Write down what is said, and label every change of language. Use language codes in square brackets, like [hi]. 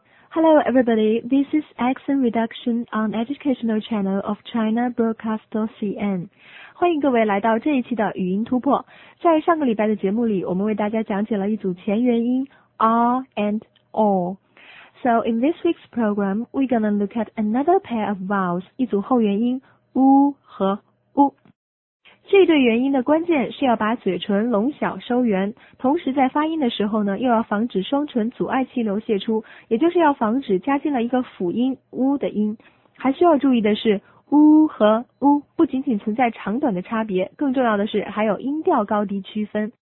[en] Hello everybody, this is Accent Reduction on Educational Channel of China Broadcast LCN. [zh] 欢迎各位来到这一期的语音突破。在上个礼拜的节目里，我们为大家讲解了一组前元音 R and O. [en] So in this week's program, we're gonna look at another pair of vowels, [zh] 一组后元音 U 和 U. 这对元音的关键是要把嘴唇拢小收圆，同时在发音的时候呢，又要防止双唇阻碍气流泄出，也就是要防止加进了一个辅音 U 的音。还需要注意的是呜和呜不仅仅存在长短的差别，更重要的是还有音调高低区分。